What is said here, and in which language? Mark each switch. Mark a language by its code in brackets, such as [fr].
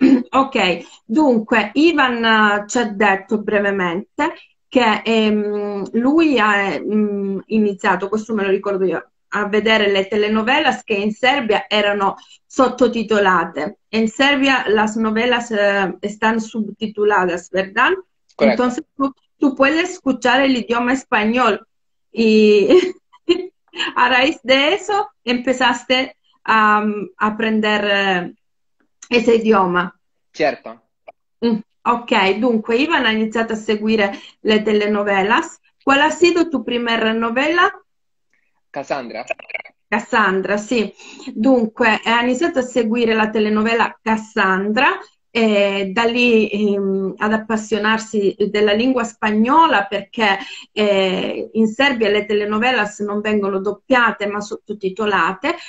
[it] Ok, dunque, Ivan ci ha detto brevemente che lui ha iniziato, questo me lo ricordo io, a vedere le telenovelas che in Serbia erano sottotitolate. [es] In Serbia las novelas están subtituladas, ¿verdad? [it] Corretto. [es] Entonces tú puedes escuchar el idioma español y a raíz de eso empezaste a aprender ese idioma. [it] Certo. Ok, dunque Ivan ha iniziato a seguire le telenovelas. [es] Qual ha sido tu prima novela? Cassandra. [it] Cassandra, sì. Dunque, ha iniziato a seguire la telenovela Cassandra e da lì ad appassionarsi della lingua spagnola perché in Serbia le telenovelas non vengono doppiate ma sottotitolate.